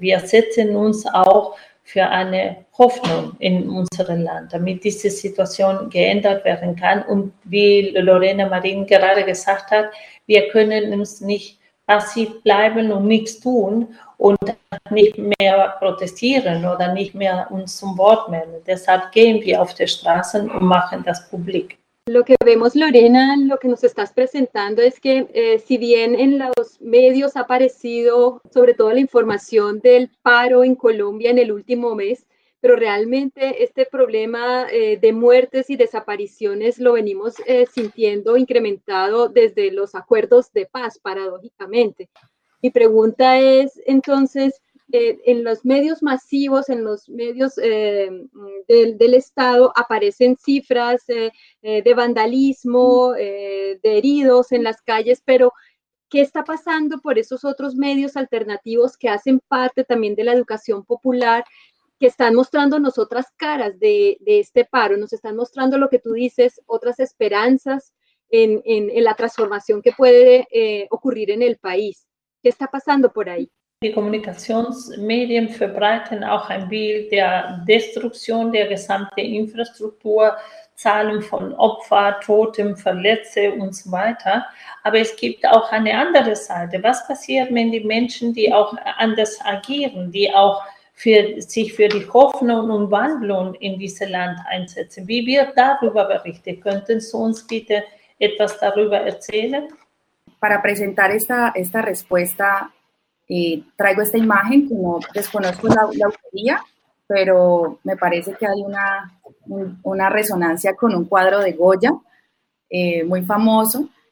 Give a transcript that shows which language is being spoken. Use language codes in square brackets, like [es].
[de] Wir setzen uns auch für eine Hoffnung in unserem Land, damit diese Situation geändert werden kann. Und wie Lorena Marin gerade gesagt hat, wir können uns nicht passiv bleiben und nichts tun und nicht mehr protestieren oder nicht mehr uns zum Wort melden. Deshalb gehen wir auf die Straßen und machen das publik. [es] Lo que vemos, Lorena, lo que nos estás presentando es que si bien en los medios ha aparecido sobre todo la información del paro en Colombia en el último mes, pero realmente este problema de muertes y desapariciones lo venimos sintiendo incrementado desde los acuerdos de paz, paradójicamente. Mi pregunta es, entonces, en los medios masivos, en los medios del Estado, aparecen cifras de vandalismo, de heridos en las calles, pero ¿qué está pasando por esos otros medios alternativos que hacen parte también de la educación popular, que están mostrándonos otras caras de este paro? Nos están mostrando lo que tú dices, otras esperanzas en la transformación que puede ocurrir en el país. ¿Qué está pasando por ahí? [de] Die Kommunikationsmedien verbreiten auch ein Bild der Destruktion der gesamten Infrastruktur, Zahlen von Opfern, Toten, Verletzten und so weiter. Aber es gibt auch eine andere Seite. Was passiert, wenn die Menschen, die auch anders agieren, die auch sich für die Hoffnung und Wandlung in diesem Land einsetzen? Wie wird darüber berichtet? Könnten Sie uns bitte etwas darüber erzählen? [es] Para presentar esta respuesta, traigo esta imagen, como desconozco la autoría, pero me parece que hay una resonancia con un cuadro de Goya, muy famoso.